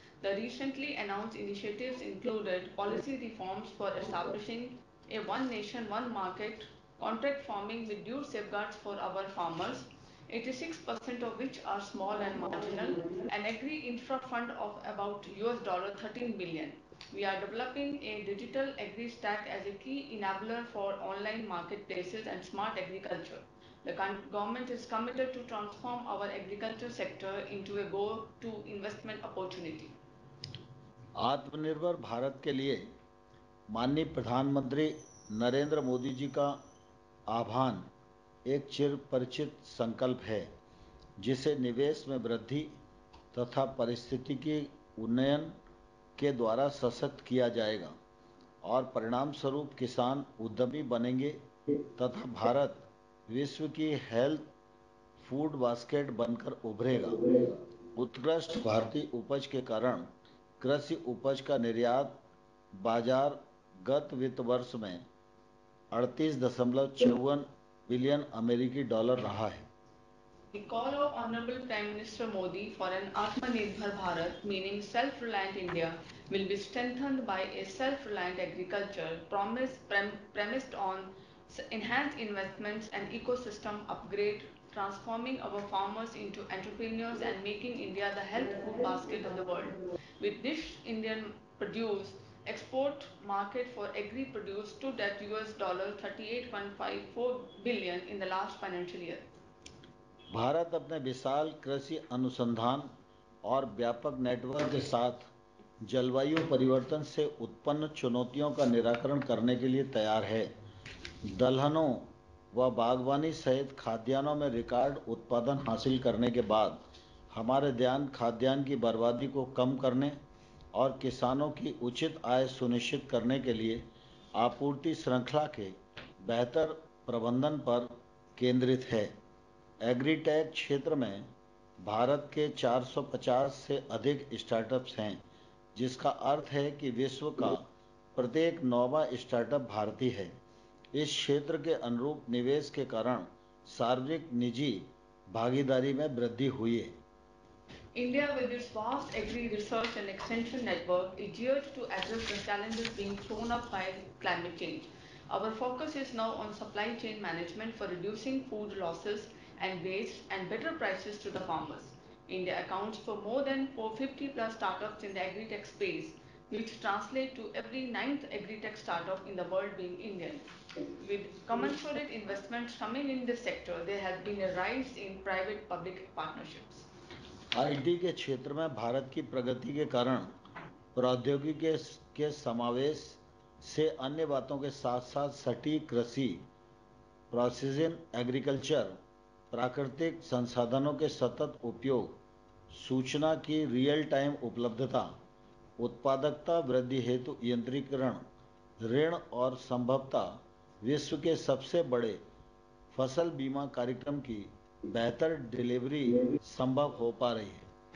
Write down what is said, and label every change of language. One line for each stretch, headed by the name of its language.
English: The recently announced initiatives included policy reforms for establishing a one nation, one market contract farming with due safeguards for our farmers, 86% of which are small and marginal, an agri infra fund of about $13 billion. We are developing a digital agri stack as a key enabler for online marketplaces and smart agriculture. The government is committed to transform our agriculture sector into a go-to investment opportunity.
Hindi: आत्मनिर्भर भारत के लिए माननीय प्रधानमंत्री नरेंद्र मोदी जी का आह्वान एक चिरपरिचित संकल्प है, जिसे निवेश में वृद्धि तथा पारिस्थितिकी उन्नयन के द्वारा सशक्त किया जाएगा और परिणाम स्वरूप किसान उद्यमी बनेंगे तथा भारत विश्व की हेल्थ फूड बास्केट बनकर उभरेगा। उत्कृष्ट भारतीय उपज के कारण कृषि उपज का निर्यात बाजार गत वित्त वर्ष में 38.54 बिलियन अमेरिकी डॉलर रहा है।
English: The call of Honorable Prime Minister Modi for an Atmanirbhar Bharat, meaning self-reliant India, will be strengthened by a self-reliant agriculture premised on enhanced investments and ecosystem upgrade, transforming our farmers into entrepreneurs and making India the health food basket of the world. With this Indian produce, export market for agri produce stood at $38.54 billion in the last financial year.
Hindi: Bharat अपने विशाल कृषि अनुसंधान और व्यापक network के साथ जलवायु परिवर्तन से उत्पन्न चुनौतियों का निराकरण करने के लिए तैयार है। दलहनों व बागवानी सहित खाद्यान्नों में रिकॉर्ड उत्पादन हासिल करने के बाद हमारे ध्यान खाद्यान्न की बर्बादी को कम करने और किसानों की उचित आय सुनिश्चित करने के लिए आपूर्ति श्रृंखला के बेहतर प्रबंधन पर केंद्रित है। एग्रीटेक क्षेत्र में भारत के 450 से अधिक स्टार्टअप्स हैं, जिसका अर्थ है कि विश्व का प्रत्येक नौवां स्टार्टअप भारतीय है। इस क्षेत्र के अनुरूप निवेश के कारण सार्वजनिक निजी भागीदारी में वृद्धि हुई है।
English: India, with its vast agri research and extension network, is geared to address the challenges being thrown up by climate change. Our focus is now on supply chain management for reducing food losses and waste and better prices to the farmers. India accounts for more than 450 plus startups in the agri-tech space, which translate to every ninth agri-tech startup in the world being Indian. With commensurate investments coming in this sector, there has been a rise in private-public partnerships.
Hindi: IT के क्षेत्र में भारत की प्रगति के कारण प्रौद्योगिकी के समावेश से अन्य बातों के साथ साथ सटीक कृषि प्रोसेसिंग एग्रीकल्चर प्राकृतिक संसाधनों के सतत उपयोग सूचना की रियल टाइम उपलब्धता उत्पादकता वृद्धि हेतु यंत्रीकरण ऋण और संभवतः विश्व के सबसे बड़े फसल बीमा कार्यक्रम की बेहतर डिलीवरी संभव हो पा रही है।